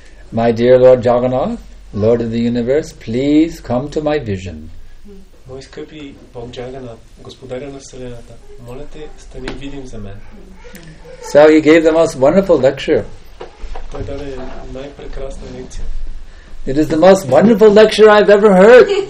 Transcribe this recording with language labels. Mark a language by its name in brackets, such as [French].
[English] My dear Lord Jagannath, Lord of the universe, please come to my vision. [Bulgarian] Мой скъпи Бог Джаганат, господаря на вселената, моля те, стани видим за мен. [English] So he gave the most wonderful lecture. [Bulgarian] Той даде най-прекрасна лекция. [English] It is the most wonderful lecture I've ever heard.